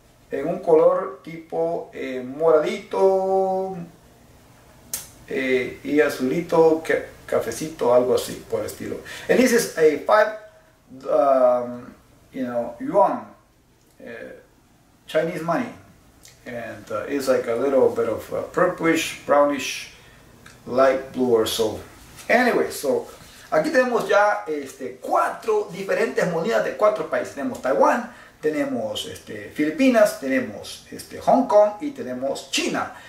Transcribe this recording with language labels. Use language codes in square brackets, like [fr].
[es] En un color tipo moradito y azulito, cafecito, algo así, por el estilo. [en] And this is a 5, you know, yuan, Chinese money. And it's like a little bit of purplish, brownish, light blue or so. Anyway, so [es] aquí tenemos ya este, cuatro diferentes monedas de cuatro países. Tenemos Taiwán, tenemos este, Filipinas, tenemos este, Hong Kong y tenemos China.